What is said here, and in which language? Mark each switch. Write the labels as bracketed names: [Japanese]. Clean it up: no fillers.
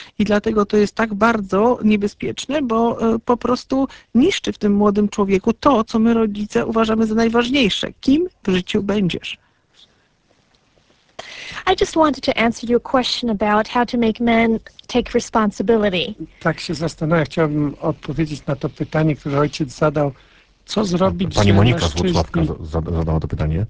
[Polish] I dlatego to jest tak bardzo niebezpieczne, bo po prostu niszczy w tym młodym człowieku to, co my rodzice uważamy za najważniejsze. Kim w życiu będziesz? [English] I just wanted to answer your question about how to make men take responsibility. [Polish] Tak się zastanawiam, chciałbym odpowiedzieć na to pytanie, które ojciec zadał. Co zrobić, pani Monika z Włocławka zadała to pytanie.